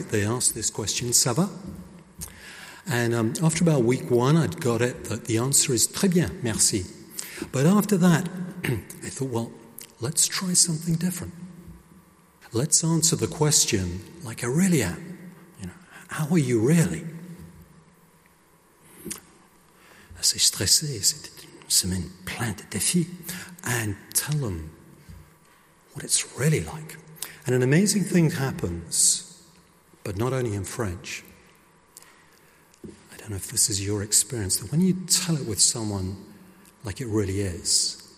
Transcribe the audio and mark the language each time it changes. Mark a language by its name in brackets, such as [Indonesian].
[English] They ask this question, [French] "Ça va?" [English] And after about week one, I'd got it that the answer is [French] "Très bien, merci." [English] But after that, I thought, well, let's try something different. Let's answer the question like I really am. You know, how are you really? [French] Assez stressé, c'est une semaine plein de défis. [English] And tell them what it's really like. And an amazing thing happens, but not only in French. I don't know if this is your experience, that when you tell it with someone like it really is,